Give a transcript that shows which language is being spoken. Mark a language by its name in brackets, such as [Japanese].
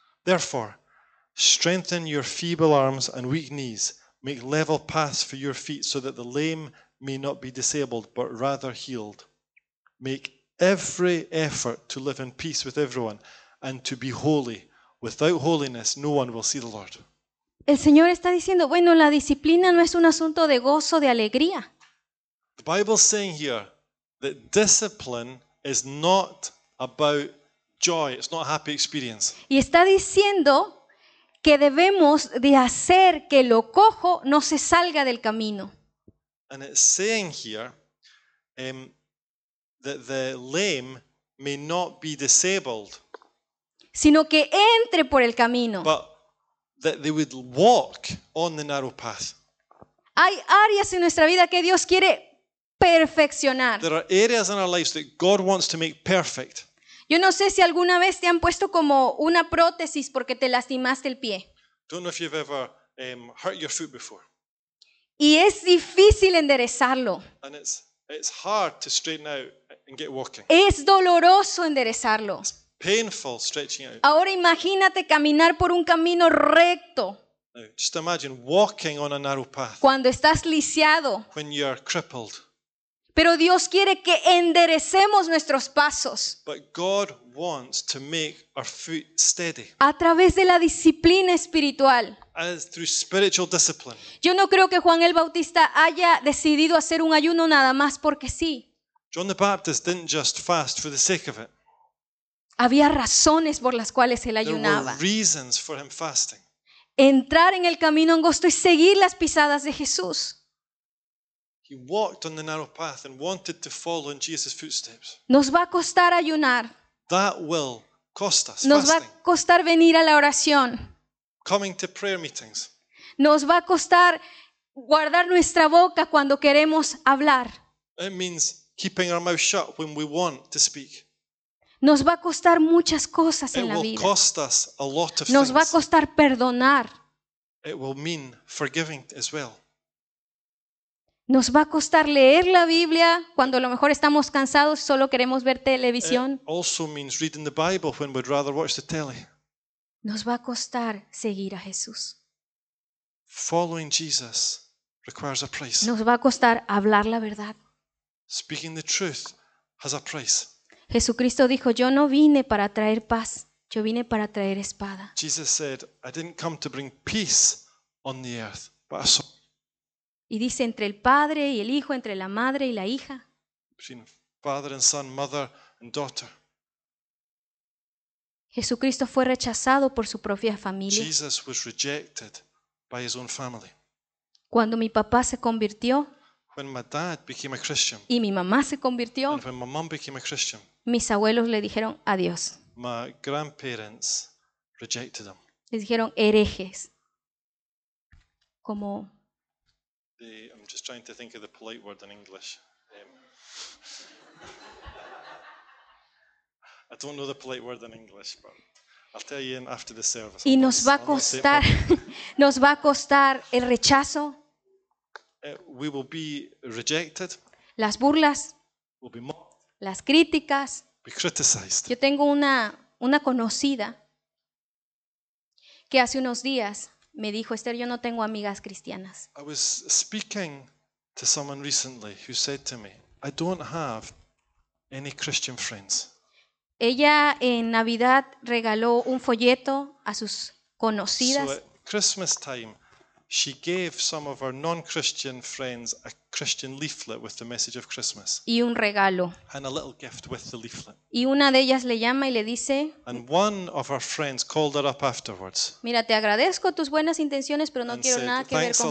[English] Therefore, strengthen your feeble arms and weak knees. Make level paths for your feet so that the lame may not be disabled, but rather healed. Make every effort to live in peace with everyone and to be holy. Without holiness, no one will see the Lord. [Spanish] El Señor está diciendo, bueno, la disciplina no es un asunto de gozo, de alegría. [English] The Bible is saying here that discipline is not about joy, it's not a happy experience. [Spanish] Y está diciendo que debemos de hacer que lo cojo no se salga del camino. [English] And it's saying here that the lame may not be disabled, [Spanish] sino que entre por el camino. [English] But that they would walk on the narrow path. [Spanish] Hay áreas en nuestra vida que Dios quiere perfeccionar. [English] There are areas in our lives that God wants to make perfect. [Spanish] Yo no sé si alguna vez te han puesto como una prótesis porque te lastimaste el pie. [English] Don't know if you've ever hurt your foot before. [Spanish] Y es difícil enderezarlo. [English] And it's hard to straighten out and get walking. [Spanish] Es doloroso enderezarlo. [English] It's painful stretching out. [Spanish] Ahora imagínate caminar por un camino recto. [English] Now, just imagine walking on a narrow path. [Spanish] Cuando estás lisiado. [English] When you're crippled. [Spanish] Pero Dios quiere que enderecemos nuestros pasos. [English] But God wants to make our feet steady. [Spanish] A través de la disciplina espiritual. [English] As through spiritual discipline. [Spanish] Yo no creo que Juan el Bautista haya decidido hacer un ayuno nada más porque sí. [English] John the Baptist didn't just fast for the sake of it. [Spanish] Había razones por las cuales él ayunaba. [English] There were reasons for him fasting. [Spanish] Entrar en el camino angosto y seguir las pisadas de Jesús. [English] He walked on the narrow path and wanted to follow in Jesus' footsteps. [Spanish] Nos va a costar ayunar. [English] That will cost us. [Spanish] Nos va a costar venir a la oración. [English] Coming to prayer meetings. [Spanish] Nos va a costar guardar nuestra boca cuando queremos hablar. [English] It means keeping our mouth shut when we want to speak. [Spanish] Nos va a costar muchas cosas en la vida. [English] It will cost us a lot of things. [Spanish] Nos va a costar perdonar. [English] It will mean forgiving as well. [Spanish] Nos va a costar leer la Biblia cuando a lo mejor estamos cansados y solo queremos ver televisión. [English] It also means reading the Bible when we'd rather watch the telly. [Spanish] Nos va a costar seguir a Jesús. [English] Following Jesus requires a price. [Spanish] Nos va a costar hablar la verdad. [English] Speaking the truth has a price. [Spanish] Jesucristo dijo, yo no vine para traer paz, yo vine para traer espada. [English] Jesus said, I didn't come to bring peace on the earth, but a sword. [Spanish] Y dice, entre el padre y el hijo, entre la madre y la hija. [English] Between father and son, mother and daughter. [Spanish] Jesucristo fue rechazado por su propia familia. [English] Jesus was rejected by his own family. [Spanish] Cuando mi papá se convirtió, [English] When my dad became a Christian, [Spanish] y mi mamá se convirtió, [English] and when my mom became a Christian, [Spanish] mis abuelos le dijeron adiós. [English] My grandparents rejected him. [Spanish] Les dijeron herejes. Como [English] I'm just trying to think of the polite word in English. I don't know the polite word in English, but I'll tell you after the service. [Spanish] Y nos va a costar el rechazo. [English] We will be rejected. [Spanish] Las burlas. [English] We'll be mocked. [Spanish] Las críticas. [English] Be criticized. [Spanish] Yo tengo una conocida que hace unos días me dijo, Esther, yo no tengo amigas cristianas. [English] I was speaking to someone recently who said to me, I don't have any Christian friends. [Spanish] Ella en Navidad regaló un folleto a sus conocidas. [English] So at Christmas time, she gave some of her non-Christian friends a Christian leaflet with the message of Christmas. [Spanish] Y un regalo. [English] And a little gift with the leaflet. [Spanish] Y una de ellas le llama y le dice. [English] And one of her friends called her up afterwards. [Spanish] Mira, te agradezco tus buenas intenciones, pero no quiero nada que ver con Jesús.